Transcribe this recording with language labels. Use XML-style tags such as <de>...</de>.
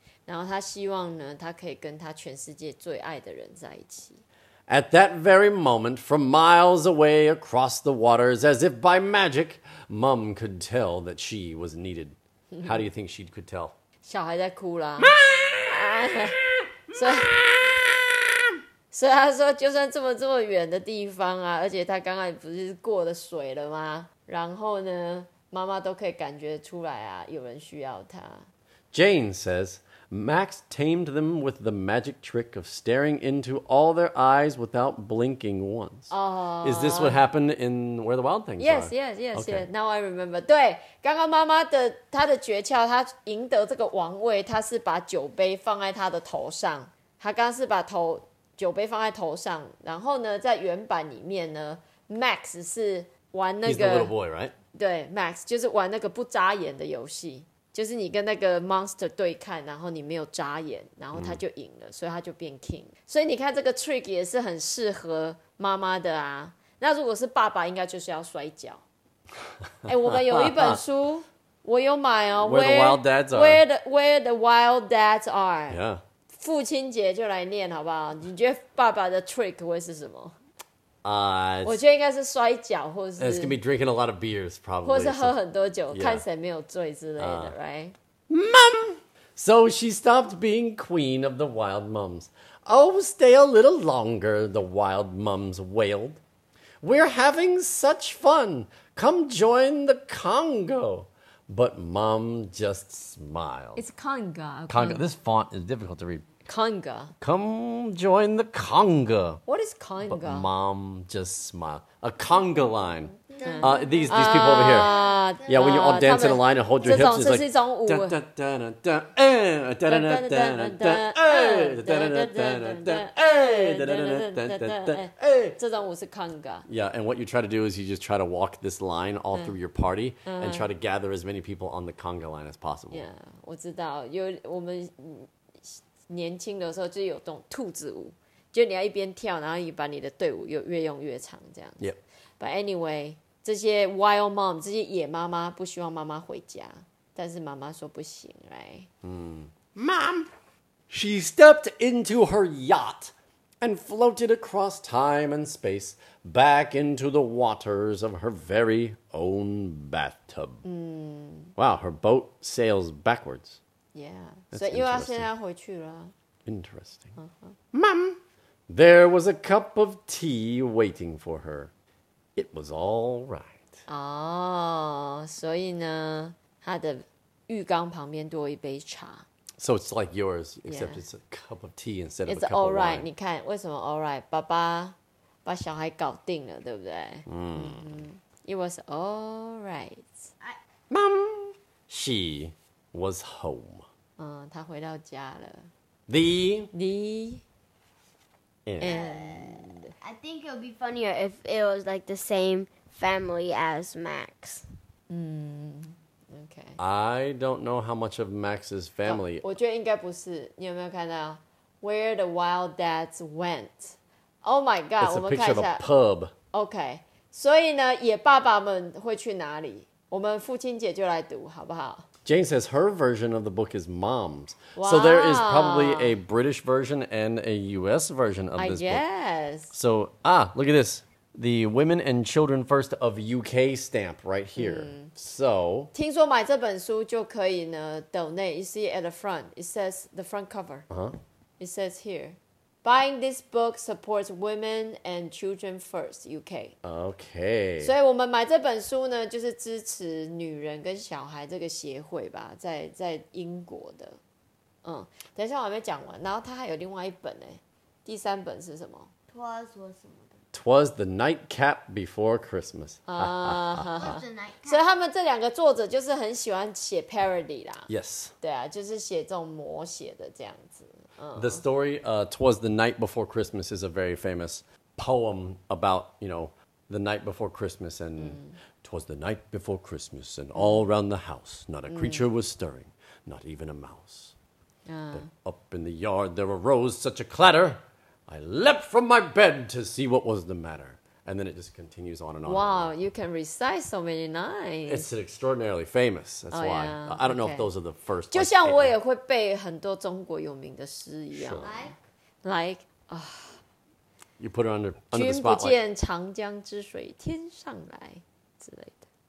<zh>然后她希望呢，她可以跟她全世界最爱的人在一起。</zh> <en>At that very moment, from miles away across the waters, as if by magic, Mum could tell that she was needed. How do you think she could tell?</en> <zh>小孩在哭啦。所以他说，就算这么远的地方啊，而且他刚刚不是过了水了吗？然后呢，妈妈都可以感觉出来啊，有人需要他。</zh> <en>Jane says Max tamed them with the magic trick of staring into all their eyes without blinking once. Is this what happened in Where the Wild Things yes, Are? Yes, yes, yes,、okay. yes. Now I remember.</en> <zh>对，刚刚妈妈的她的诀窍，她赢得这个王位，她是把酒杯放在她的头上。她刚是把头。酒杯放在头上，然后呢，在原版里面呢 ，Max 是玩那个</zh> <en>He's the little boy, right?</en> <zh>对 ，Max 就是玩那个不眨眼的游戏，就是你跟那个 monster 对看，然后你没有眨眼，然后他就赢了，所以他就变 king。所以你看这个 trick 也是很适合妈妈的啊。那如果是爸爸，应该就是要摔跤。哎、欸，我们有一本书，我有买哦</zh> <en>Where the Wild Dads Are. Yeah.</en> <zh>父亲节就来念好不好？你觉得爸爸的 trick 会是什么？我觉得应该是摔跤，或是</zh> <en>it's gonna be drinking a lot of beers, probably,</en> <zh>或是喝很多酒， yeah. 看谁没有醉之类的 ，right?</zh> <en>Mum, so she stopped being queen of the wild mums. Oh, stay a little longer, the wild mums wailed. We're having such fun. Come join the Congo. But mom just smiled. It's conga. Conga. This font is difficult to read. Conga. Come join the conga. What is conga? But mom just smiled. A conga line. These people over here. Yeah, when you all dance in a line and hold your hips, it's like... This is a song. Da da da da da. Eh! Da da da da da. Eh! Da da da da da. Eh! Da da da da da. Eh! This song is conga. Yeah, and what you try to do is you just try to walk this line all through your party and try to gather as many people on the conga line as possible. Yeah, I know.</en> <zh>年轻的时候就有种兔子舞，就你要一边跳，然后你把你的队伍又越用越长这样子。</zh> <en>Yep. But anyway,</en> <zh>这些 wild mom, 这些野妈妈不希望妈妈回家，但是妈妈说不行 ，right?</zh> <en>Mom, she stepped into her yacht and floated across time and space back into the waters of her very own bathtub. Wow, her boat sails backwards. Yeah, so</en> <zh>又要现在回去了。</zh> <en>Interesting. Mom! There was a cup of tea waiting for her. It was all right.</en> <zh>Oh, 所以呢，她的浴缸旁边多一杯茶。</zh> <en>So it's like yours, except it's a cup of tea instead of a cup of wine. It's all right,</en> <zh>你看，为什么 all right? 爸爸把小孩搞定了，对不对？</zh> <en>It was all right. Mom! She... was home.</en> <zh>他回到家了。</zh> <en>The end. I think it would be funnier if it was like the same family as Max. Okay. I don't know how much of Max's family.</en> <zh>我觉得应该不是。你有没有看到 Where the Wild Dads Went?</zh> <en>Oh my God! It's a picture of a pub. Okay. 所以呢，野爸爸们会去哪里？我们父亲节就来读，好不好？ Jane says her version of the book is Moms. Wow. So there is probably a British version and a U.S. version of this book. Yes. So, look at this. The Women and Children First of UK stamp right here. Mm. So,</en> <zh>听说买这本书就可以呢 donate.</zh> <en>You see at the front, it says the front cover. Uh-huh. It says here, buying this book supports Women and Children First UK. Okay.</en> <zh>所以我们买这本书呢，就是支持女人跟小孩这个协会吧，在英国的。嗯，等一下我还没讲完，然后他还有另外一本呢，第三本是什么？他说什么？</zh> <en>'Twas the nightcap before Christmas.</en> <zh>So, 他们这两个作者就是很喜欢写 parody 啦。</zh> <en>Yes.</en> <zh>对啊，就是写这种魔写的这样子。</zh> <en>The story, 'Twas the night before Christmas, is a very famous poem about, you know, the night before Christmas, and 'twas the night before Christmas, and all around the house, not a creature was stirring, not even a mouse. But up in the yard, there arose such a clatter. I leapt from my bed to see what was the matter. And then it just continues on and on. Wow, you can recite so many lines. It's an extraordinarily famous. That's why. Yeah. I don't know if those are the first.</en> <zh>就像我也会背很多中国有名的诗一样。</zh> <en>Like, You put it under the spotlight.</en> <zh>君不见长江之水天上来之类的。</zh>